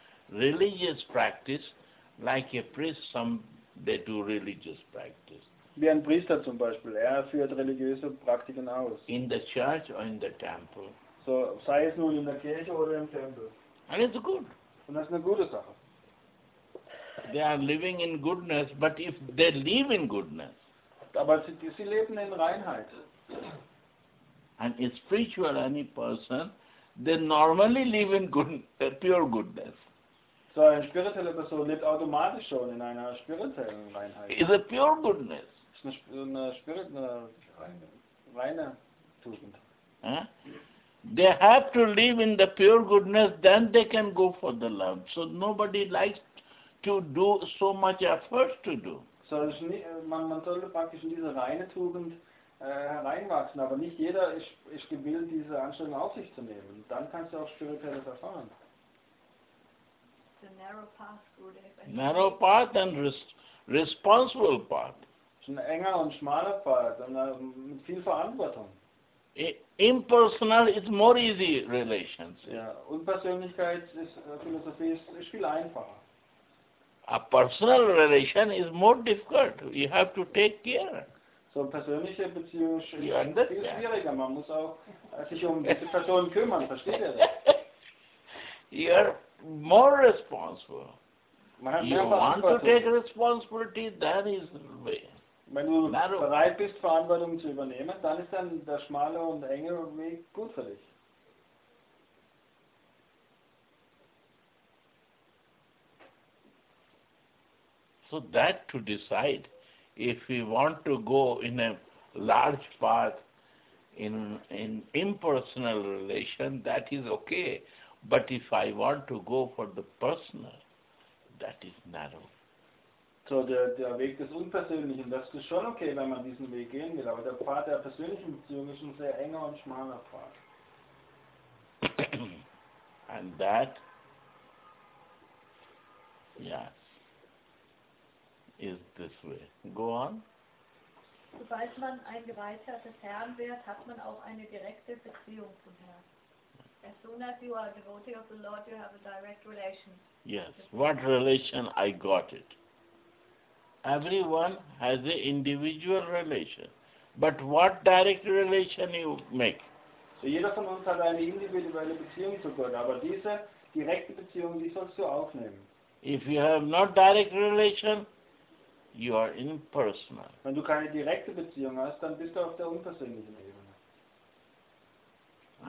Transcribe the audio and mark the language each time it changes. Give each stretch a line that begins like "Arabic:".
English: Religious practice, like a priest, they do religious practice.
German: Wie ein Priester zum Beispiel, er führt religiöse Praktiken aus.
English: In the church or in the temple.
German: So, sei es nun in der Kirche oder im Tempel.
English: And it's good.
German: Und das ist eine gute Sache.
English: They are living in goodness, but if they live in goodness.
German: Aber sie leben in Reinheit.
English: And a spiritual any person, they normally live in pure goodness.
German: So eine spirituelle Person lebt automatisch schon in einer spirituellen Reinheit.
English: It's a pure goodness.
German: Es ist eine reine Tugend. Huh?
English: They have to live in the pure goodness, then they can go for the love. So nobody likes to do so much effort to do. So man sollte praktisch in diese reine Tugend hereinwachsen, aber nicht jeder ist gewillt, diese Anstrengung auf sich zu nehmen.
German: Dann kannst du auch spirituelles erfahren.
English: The narrow path, Gurudev. Narrow path and responsible path.
German: Es ist ein enger und schmaler Pfad und mit viel Verantwortung.
English: Impersonal is more easy relationship.
German: Ja, Unpersönlichkeitsphilosophie ist viel einfacher.
English: A personal relation is more difficult. You have to take care.
German: So persönliche Beziehung ist viel schwieriger. Man muss auch sich um diese Person kümmern. Versteht ihr das?
English: You are more responsible.
German: Man hat
English: you
German: mehr
English: want to take responsibility, that is the way.
German: Wenn du bereit bist, Verantwortung zu übernehmen, dann ist dann der schmale und enge Weg gut für dich.
English: So that to decide if we want to go in a large path in impersonal relation, that is okay. But if I want to go for the personal, that is narrow.
German: So der Weg des Unpersönlichen, das ist schon okay, wenn man diesen Weg gehen will, aber der Pfad der persönlichen Beziehung ist ein sehr enger und schmaler Pfad.
English: And that, yeah, is this way. Go on.
German: Sobald man ein Geweihter des Herrn wird, hat man auch eine direkte Beziehung zum Herrn.
English: As soon as you are a devotee of the Lord, you have a direct relation. Yes. What relation? I got it. Everyone has an individual relation. But what direct relation you make?
German: So jeder von uns hat eine individuelle Beziehung zu Gott, aber diese direkte Beziehung, die sollst du aufnehmen.
English: If you have no direct relation, you are impersonal.
German: Wenn du keine direkte Beziehung hast, dann bist du auf der unpersönlichen Ebene.